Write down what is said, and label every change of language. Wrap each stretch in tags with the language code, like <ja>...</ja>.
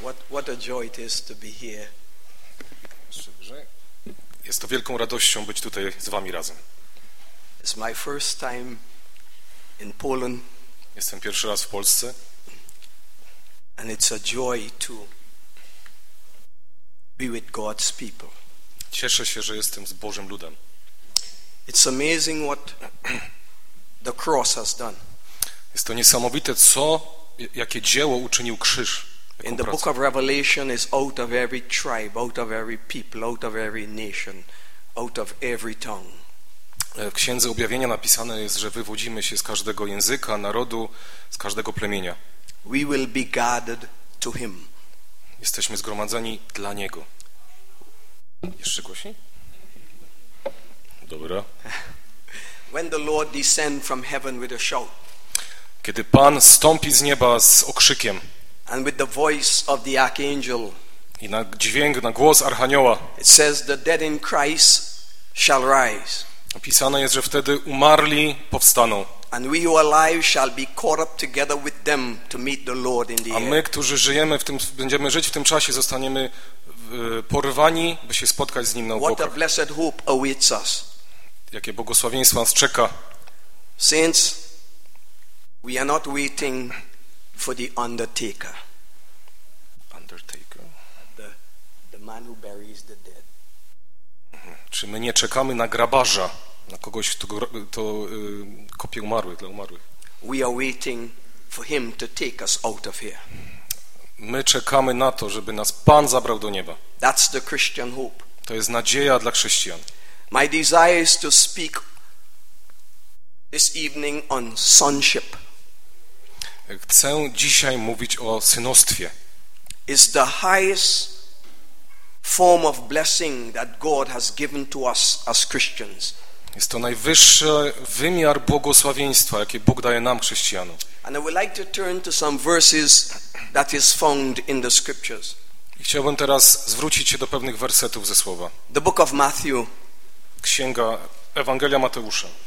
<en>What a joy it is to be here.</en> <pl>Jest to wielką radością być tutaj z wami razem.</pl> <en>It's my first time in Poland.</en> <pl>Jestem pierwszy raz w Polsce.</pl> <en>And it's a joy to be with God's people.</en> <pl>Cieszę się, że jestem z Bożym ludem.</pl> <en>It's amazing what the cross has done.</en> <pl>Jest to niesamowite, co, jakie dzieło uczynił krzyż.</pl> <en>In the book of Revelation is out of every tribe, out of every people, out of every nation, out of every tongue.</en> <pl>W Księdze Objawienia napisane jest, że wywodzimy się z każdego języka, narodu, z każdego plemienia.</pl> <en>We will be gathered to him.</en> <pl>Jesteśmy zgromadzeni dla niego. Jeszcze głośniej? Dobra.</pl> <en>When the Lord descend from heaven with a shout.</en> <pl>Kiedy Pan stąpi z nieba z okrzykiem.</pl> <en>And with the voice of the archangel.</en> <pl>I na dźwięk, na głos archanioła.</pl> <en>It says the dead in Christ shall rise.</en> <pl>Napisane jest, że wtedy umarli powstaną.</pl> <en>And we who are alive shall be caught up together with them to meet the Lord in the air.</en> <pl>A my, którzy żyjemy w tym, będziemy żyć w tym czasie, zostaniemy porwani, by się spotkać z nim na obłokach.</pl> <en>What a blessed hope awaits us.</en> <pl>Jakie błogosławieństwo nas czeka.</pl> <en>Saints, we are not waiting for the undertaker. Undertaker. The man who buries the dead.</en> <pl>Czy my nie czekamy na grabarza, na kogoś, kto kopie umarłych, dla umarłych?</pl> <en>We are waiting for him to take us out of here.</en> <pl>My czekamy na to, żeby nas Pan zabrał do nieba.</pl> <en>That's the Christian hope.</en> <pl>To jest nadzieja dla chrześcijan.</pl> <en>My desire is to speak this evening on sonship.</en> <pl>Chcę dzisiaj mówić o synostwie.</pl> <en>It's the highest form of blessing that God has given to us as Christians.</en> <pl>Jest to najwyższy wymiar błogosławieństwa, jaki Bóg daje nam, chrześcijanom.</pl> <en>And I would like to turn to some verses that is found in the scriptures.</en> <pl>I chciałbym teraz zwrócić się do pewnych wersetów ze słowa.</pl> <en>The book of Matthew.</en> <pl>Księga Ewangelia Mateusza.</pl>